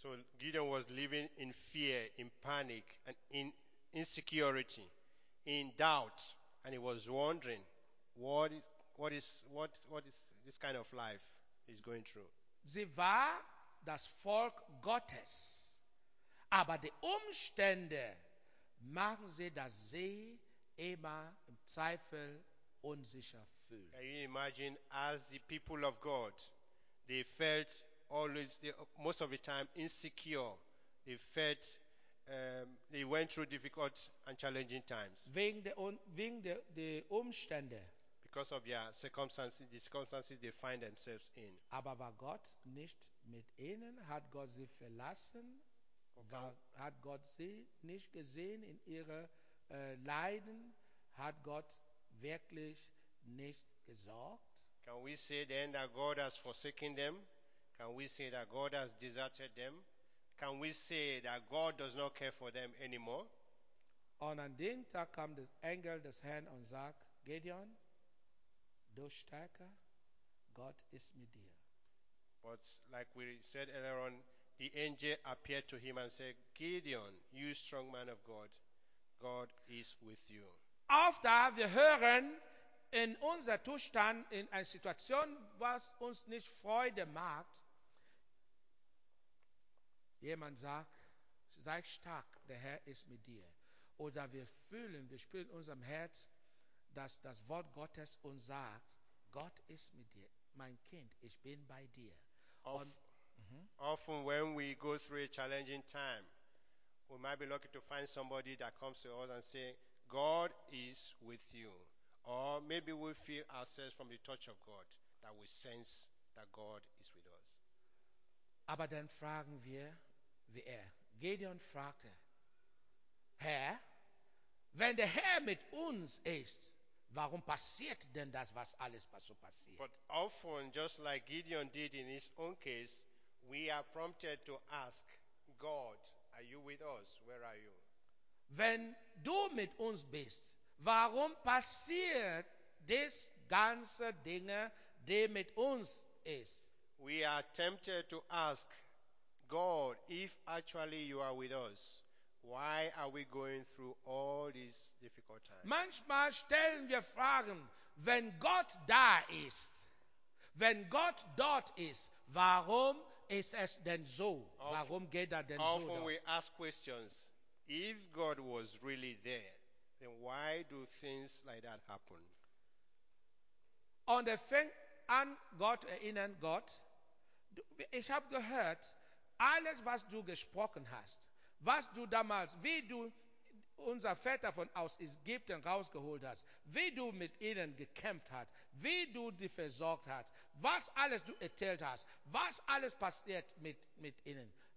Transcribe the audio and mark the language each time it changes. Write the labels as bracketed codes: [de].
[en] So Gideon was living in fear, in panic, and in insecurity, in doubt, and he was wondering, What is this kind of life is going through? [de] Sie war das Volk Gottes, aber die Umstände machen sie, dass sie immer im Zweifel unsicher fühlt. [en] Can you imagine, as the people of God, they felt always, most of the time, insecure. They felt they went through difficult and challenging times. [de] Wegen der Umstände. [en] Because of their circumstances, the circumstances they find themselves in. [de] Aber war Gott nicht mit ihnen? Hat Gott sie verlassen? Hat Gott sie nicht gesehen in ihre Leiden? Hat Gott wirklich nicht gesorgt? [en] Can we say then that God has forsaken them? Can we say that God has deserted them? Can we say that God does not care for them anymore? [de] Und an dem Tag kam der Engel des Herrn und sagt, Gideon, du starker, Gott ist mit dir. [en] But like we said earlier on, the angel appeared to him and said, Gideon, you strong man of God, God is with you. [de] After wir hören in unser Zustand, in einer Situation, was uns nicht Freude macht, jemand sagt, sei stark, der Herr ist mit dir. Oder wir spüren in unserem Herz, dass das Wort Gottes uns sagt, Gott ist mit dir, mein Kind, ich bin bei dir. [en] Often when we go through a challenging time, we might be lucky to find somebody that comes to us and say, God is with you. Or maybe we feel ourselves from the touch of God, that we sense that God is with us. [de] Aber dann fragen wir, wie Gideon fragte, Herr, wenn der Herr mit uns ist, warum passiert denn das, was alles so passiert? [en] But often, just like Gideon did in his own case, we are prompted to ask, God, are you with us? Where are you? [de] Wenn du mit uns bist, warum passiert das ganze Dinge, die mit uns ist? [en] we are tempted to ask, God, if actually you are with us, why are we going through all these difficult times? [de] Manchmal stellen wir Fragen, wenn Gott da ist, wenn Gott dort ist, warum ist es denn so? Warum geht er denn so? [en] Often we ask questions, if God was really there, then why do things like that happen? [de] Und er fängt an, Gott erinnern, Gott, ich habe gehört, alles, was du gesprochen hast, was du damals, wie du unser Väter von aus Ägypten rausgeholt hast, wie du mit ihnen gekämpft hast, wie du die versorgt hast, was alles du erzählt hast, was alles passiert mit ihnen.